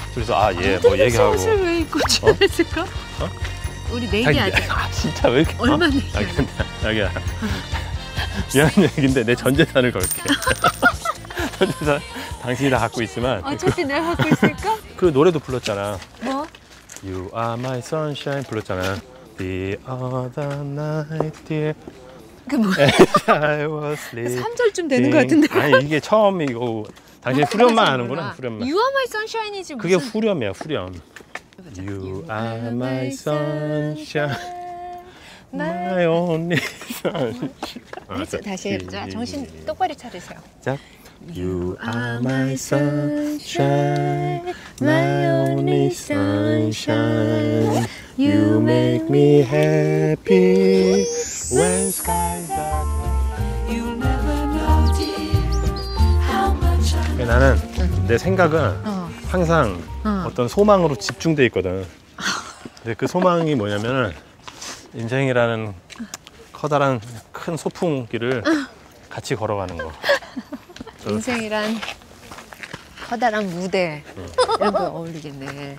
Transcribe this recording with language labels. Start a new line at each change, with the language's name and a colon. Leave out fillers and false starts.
Korean: 둘이서 아 예 뭐 얘기하고 옷을 왜 입고 출연했을까? 어? 어? 우리 내기하자. 아 진짜 왜 이렇게 얼마나 얘기해. 어? 자기야, 자기야. 미안한 얘기인데 내 전재산을 걸게. 전재산 당신이 다 갖고 있지만 어차피 내가 갖고 있을까? 그 노래도 불렀잖아. 뭐?
English: You are my sunshine
Korean: 불렀잖아.
English: The other night dear.
Korean: 그 뭐야? 3절쯤 되는 것 같은데. 아니 이게 처음 이거 당신 후렴만 하는구나. 후렴만.
English: You are my sunshine이지
Korean: 무슨? 그게 후렴이야 후렴.
English: You are my sunshine, my only sunshine.
Korean: 다시 해보자. 정신 똑바로 차리세요. 자,
English: You are my sunshine, my only sunshine. You make me happy. When skies are you never know dear how much I love.
Korean: 나는 내 생각은 항상 어떤 소망으로 집중돼 있거든. 근데 그 소망이 뭐냐면은 인생이라는 커다란 큰 소풍기를 같이 걸어가는 거. 인생이란 커다란 무대. 이런 거 어울리겠네.